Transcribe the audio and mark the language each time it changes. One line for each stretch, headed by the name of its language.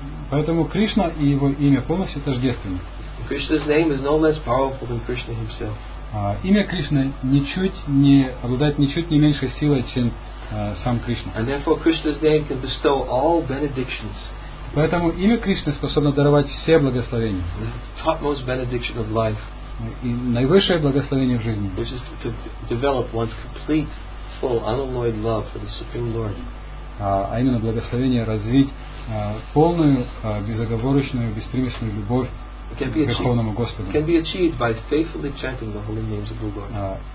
Russian: Поэтому Кришна и его имя полностью тождественны.
English: Krishna's name is no less powerful than Krishna himself.
Russian: Имя Кришны обладает ничуть не меньшей силой, чем сам Кришна.
English: And therefore, Krishna's name can bestow all benedictions.
Russian: Поэтому имя Кришны способно даровать все благословения.
English: The topmost benediction of life.
Russian: И наивысшее благословение в жизни.
English: Which is to develop one's complete, full, unalloyed love for the Supreme Lord.
Russian: А именно благословение развить полную, безоговорочную, беспримесную любовь.
English: Can be achieved by faithfully chanting the holy names of the Lord.